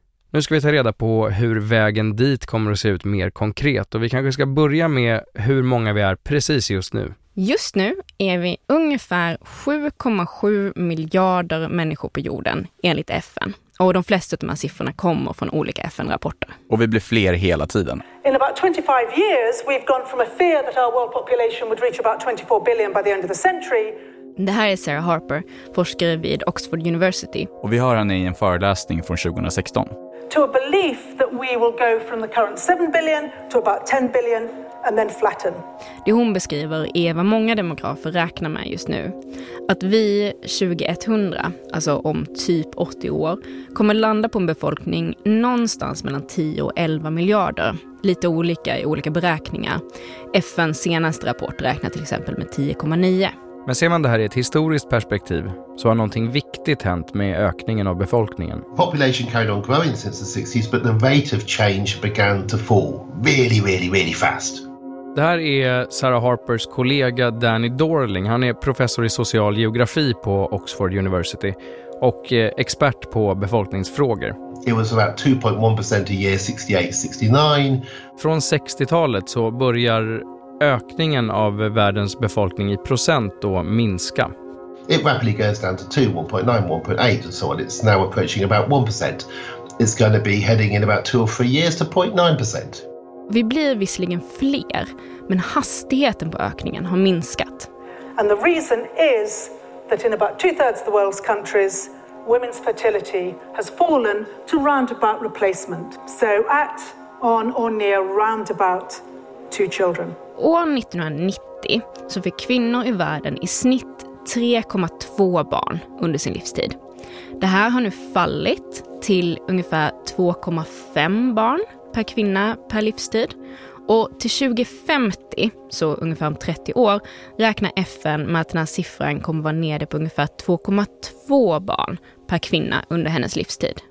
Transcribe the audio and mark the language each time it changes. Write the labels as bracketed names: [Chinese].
[Swedish] Nu ska vi ta reda på hur vägen dit kommer att se ut mer konkret. Och vi kanske ska börja med hur många vi är precis just nu. Just nu är vi ungefär 7,7 miljarder människor på jorden enligt FN. Och de flesta av de här siffrorna kommer från olika FN-rapporter. Och vi blir fler hela tiden. [English] In about 25 years we've gone from a fear that our world population would reach about 24 billion by the end of the century. [Swedish] Det här är Sarah Harper, forskare vid Oxford University. Och vi hör henne i en föreläsning från 2016. [English] To a belief that we will go from the current 7 billion to about 10 billion and then flatten. [Swedish] Det hon beskriver är vad många demografer räknar med just nu. Att vi 2100, alltså om typ 80 år, kommer landa på en befolkning någonstans mellan 10 och 11 miljarder. Lite olika i olika beräkningar. FNs senaste rapport räknar till exempel med 10,9. Men ser man det här i ett historiskt perspektiv så har någonting viktigt hänt med ökningen av befolkningen. [English] Population carried on growing since the 60s, but the rate of change began to fall really, really, really fast. [Swedish] Det här är Sarah Harpers kollega Danny Dorling. Han är professor i social geografi på Oxford University och expert på befolkningsfrågor. [English] It was about 2.1% a year 68-69. [Swedish] Från 60-talet så börjar ökningen av världens befolkning i procent då minska. [English] It rapidly goes down to 2, 1.9, 1.8 and so on. It's now approaching about 1%. It's going to be heading in about 2 or 3 years to 0.9%. [Swedish] Vi blir visserligen fler, men hastigheten på ökningen har minskat. [English] And the reason is that in about 2/3 of the world's countries, women's fertility has fallen to round about replacement. So at, on or near round about 2 children. [Swedish] År 1990 så fick kvinnor i världen i snitt 3,2 barn under sin livstid. Det här har nu fallit till ungefär 2,5 barn per kvinna per livstid. Och till 2050, så ungefär om 30 år, räknar FN med att den här siffran kommer vara nere på ungefär 2,2 barn per kvinna under hennes livstid.